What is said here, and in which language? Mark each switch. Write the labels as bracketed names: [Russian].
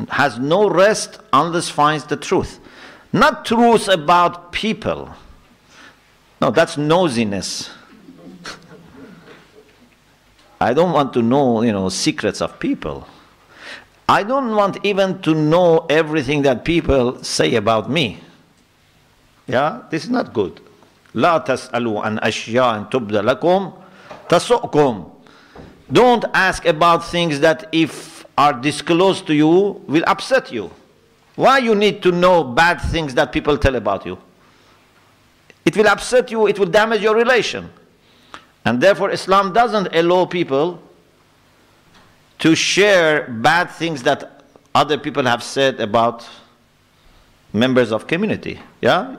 [English] Has no rest unless finds the truth. Not truth about people. No, that's nosiness. I don't want to know, you know, secrets of people. I don't want even to know everything that people say about me. Yeah, this is not good. [Arabic] لا تسألوا عن أشياء تبدى لكم تسؤكم. [English] Don't ask about things that if are disclosed to you will upset you. Why you need to know bad things that people tell about you? It will upset you, it will damage your relation. And therefore Islam doesn't allow people to share bad things that other people have said about members of community. Yeah?